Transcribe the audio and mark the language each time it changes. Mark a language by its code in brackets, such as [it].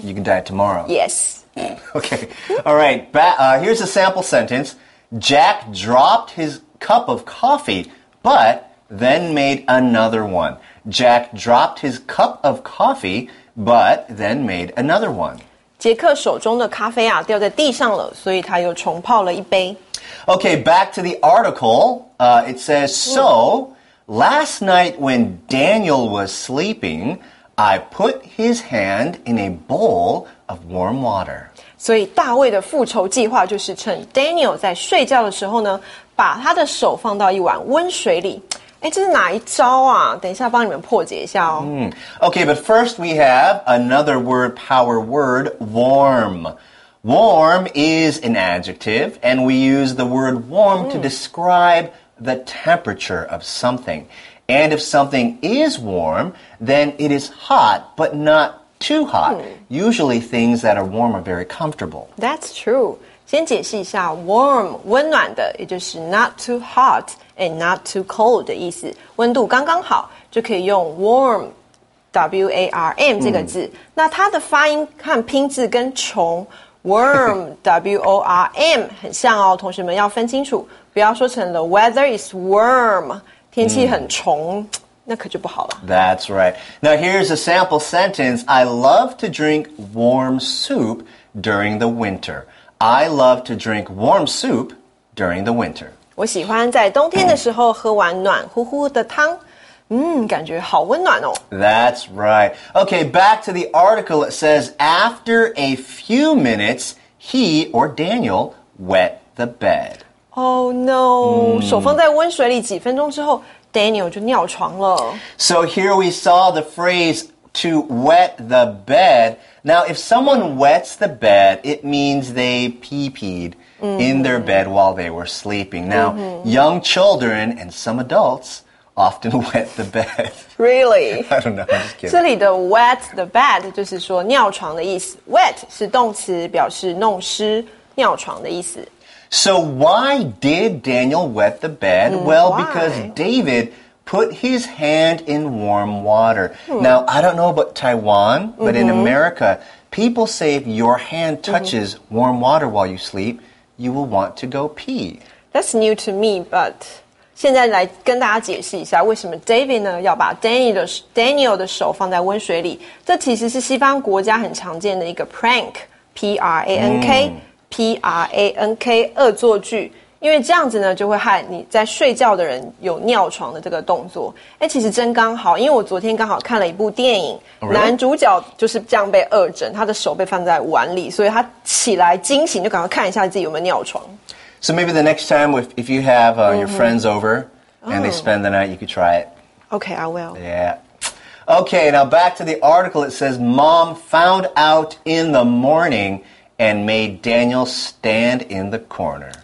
[en] You can die tomorrow. Yes. Okay, all right, here's a sample sentence. Jack dropped his... cup of coffee, but then made another one. Jack dropped his cup of coffee, but then made another one. [zh] 杰克手中的咖啡啊掉在地上了，所以他又重泡了一杯。 [en] Okay, back to the article. It says, So, last night when Daniel was sleeping, I put his hand in a bowl of warm water. [zh] 所以大卫的复仇计划就是趁 Daniel 在睡觉的时候呢把他的手放到一碗温水里。哎，这是哪一招啊？等一下帮你们破解一下哦。 [en] Okay, but first we have another word power word, warm. Warm is an adjective, and we use the word warm to describe the temperature of something. And if something is warm, then it is hot, but not too hot. Usually things that are warm are very comfortable. That's true. [zh] 先解释一下 warm, 温暖的也就是 [en] not too hot and not too cold [zh] 的意思。温度刚刚好就可以用 warm, W-A-R-M 这个字。那它的发音和拼字跟穷 worm, W-O-R-M 很像哦同学们要分清楚。不要说成 [en] the weather is warm, [zh] 天气很穷那可就不好了。 [en] That's right. Now here's a sample sentence. I love to drink warm soup during the winter. I love to drink warm soup during the winter. [zh] 我喜欢在冬天的时候喝完暖乎乎的汤。感觉好温暖哦。 [en] That's right. Okay, back to the article. It says, after a few minutes, he or Daniel wet the bed. Oh no. [zh] 手放在温水里几分钟之后, Daniel 就尿床了。 [en] So here we saw the phrase to wet the bed. Now, if someone wets the bed, it means they pee-peed、mm-hmm. in their bed while they were sleeping. Now,、mm-hmm. young children and some adults... often wet the bed. Really? I don't know, I'm just kidding. [zh] 这里的 wet the bed 就是说尿床的意思。 Wet 是动词表示弄湿尿床的意思。 [en] So why did Daniel wet the bed?、Mm, well,、why? Because David put his hand in warm water.、Hmm. Now, I don't know about Taiwan, but、mm-hmm. in America, people say if your hand touches、mm-hmm. warm water while you sleep, you will want to go pee. That's new to me, but... [zh] 现在来跟大家解释一下为什么 David 呢要把 Daniel 的手放在温水里。这其实是西方国家很常见的一个 prank, P-R-A-N-K,、mm. P-R-A-N-K, 恶作剧。因为这样子呢就会害你在睡觉的人有尿床的这个动作。诶其实真刚好，因为我昨天刚好看了一部电影、 [en] oh, really? [zh] 男主角就是这样被恶整，他的手被放在碗里，所以他起来惊醒就赶快看一下自己有没有尿床。 [en] So maybe the next time, if you have、mm-hmm. your friends over and、oh. they spend the night, you could try it. Okay, I will. Yeah. Okay, now back to the article. It says, Mom found out in the morning and made Daniel stand in the corner.